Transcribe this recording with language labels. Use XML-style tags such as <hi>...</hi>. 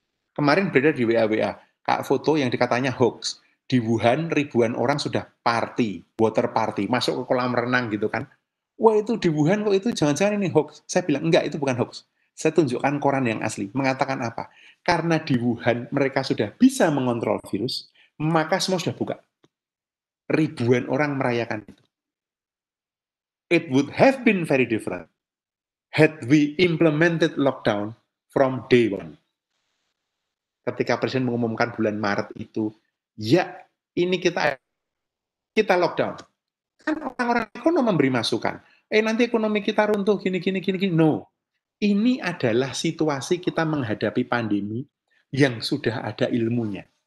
<id>Kemarin beredar di WA-WA, Kak foto yang dikatanya hoax, di Wuhan ribuan orang sudah party, water party, masuk ke kolam renang gitu kan. Wah itu di Wuhan kok itu jangan-jangan ini hoax. Saya bilang, enggak itu bukan hoax. saya tunjukkan koran yang asli, mengatakan apa? Karena di Wuhan mereka sudah bisa mengontrol virus, maka semua sudah buka. Ribuan orang merayakan itu.</id> <en>It would have been very different had we implemented lockdown from day one.</en> <id>Ketika Presiden mengumumkan bulan Maret itu, ya ini kita lockdown. Kan orang-orang ekonomi memberi masukan. Nanti ekonomi kita runtuh, gini. No. Ini adalah situasi kita menghadapi pandemi yang sudah ada ilmunya.</id>